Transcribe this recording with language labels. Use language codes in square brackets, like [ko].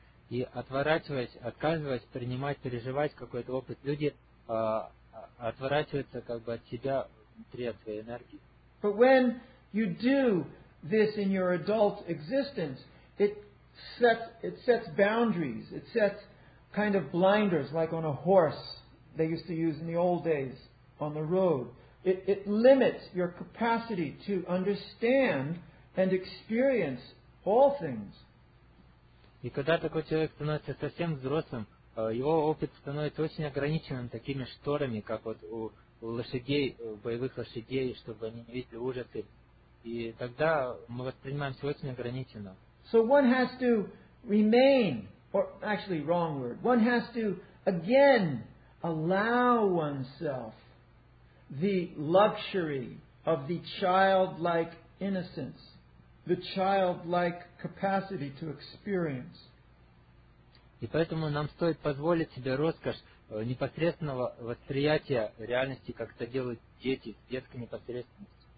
[ru] И отворачиваясь, отказываясь принимать, переживать какой-то опыт, люди отворачиваются как бы от себя внутри, от своей энергии. [en] But when you do this in your adult existence, it sets boundaries, it sets kind of blinders, like on a horse they used to use in the old days on the road. It limits your capacity to understand and experience all things. [ru] И когда такой человек становится совсем взрослым, его опыт становится очень ограниченным такими шторами, как вот у лошадей, боевых лошадей, чтобы они не видели ужасы. И тогда мы воспринимаемся очень ограниченно. [en] So one has to remain, or actually wrong word, one has to again allow oneself the luxury of the childlike innocence, the childlike capacity to experience. [ru] И поэтому нам стоит позволить себе роскошь непосредственного восприятия реальности, как это делают дети, детской непосредственности.